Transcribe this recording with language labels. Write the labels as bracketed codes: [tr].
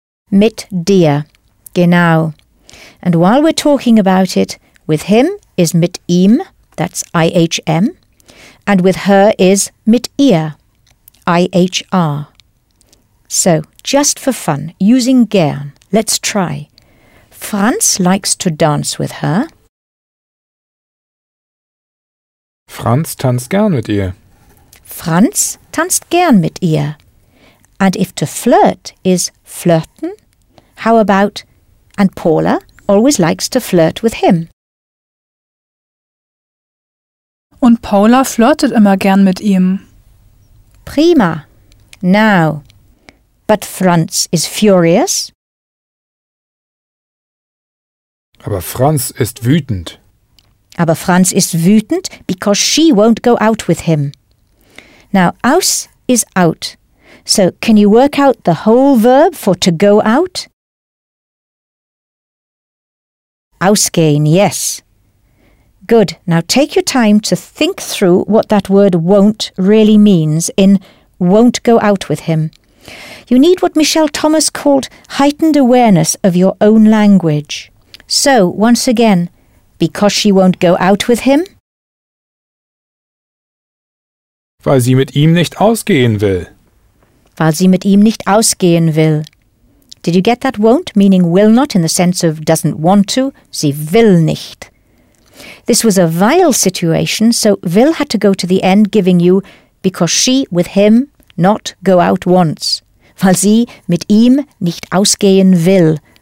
[de] Mit dir, genau. [en] And while we're talking about it, with him is mit ihm, that's IHM, and with her is mit ihr, IHR. So, just for fun, using gern, let's try. Franz likes to dance with her. [de] Franz tanzt gern mit ihr. Franz tanzt gern mit ihr. [en] And if to flirt is flirten, how about, and Paula always likes to flirt with him. [de] Und Paula flirtet immer gern mit ihm. Prima. [en] Now, but Franz is furious. [de] Aber Franz ist wütend. Aber Franz ist wütend, [en] because she won't go out with him. Now, aus is out. So, can you work out the whole verb for to go out? Ausgehen, yes. Good. Now take your time to think through what that word won't really means in won't go out with him. You need what Michelle Thomas called heightened awareness of your own language. So, once again, because she won't go out with him? [de] Weil sie mit ihm nicht ausgehen will. Weil sie mit ihm nicht ausgehen will. [en] Did you get that won't, meaning will not in the sense of doesn't want to? [de] Sie will nicht. [en] This was a vile situation, so will had to go to the end giving you because she, with him, not go out once. [de] Weil sie mit ihm nicht ausgehen will.